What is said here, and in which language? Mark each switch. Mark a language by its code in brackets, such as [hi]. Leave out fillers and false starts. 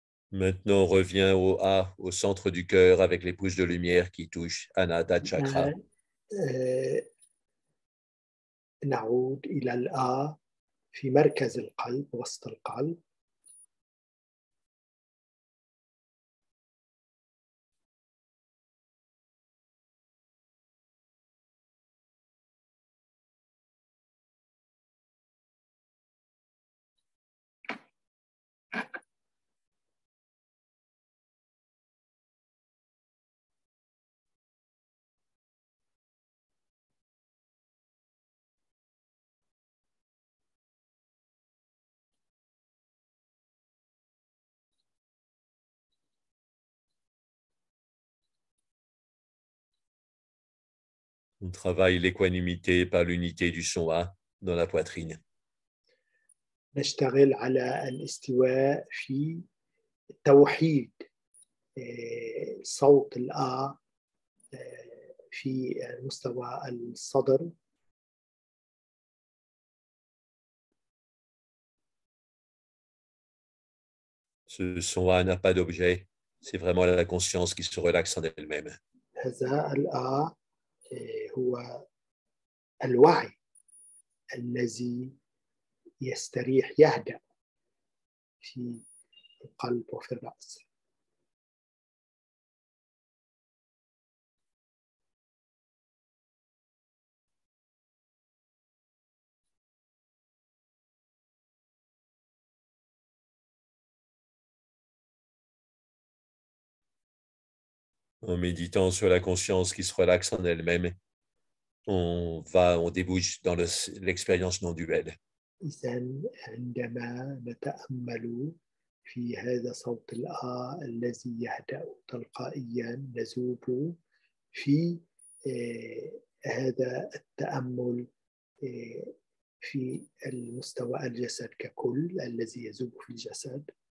[fr] Maintenant, on revient au A, au centre du cœur, avec les pouces de lumière qui touchent Anahata Chakra. [ar] نعود إلى الآ في مركز القلب وسط القلب. [fr] On travaille l'équanimité par l'unité du son A dans la poitrine. [ar] نشتغل على الاستواء في توحيد صوت الآ في مستوى الصدر. [fr] Ce son A n'a pas d'objet, c'est vraiment la conscience qui se relaxe en elle-même. [ar] هذا الآ هو الوعي الذي يستريح يهدأ في القلب وفي الرأس. [fr] En méditant sur la conscience qui se relaxe en elle-même, on débouche dans l'expérience non duel. [ar] إذن عندما نتأمل في هذا صوت الآ الذي يهدأ تلقائيا نذوب في هذا التأمل في المستوى الجسد ككل الذي يذوب في الجسد.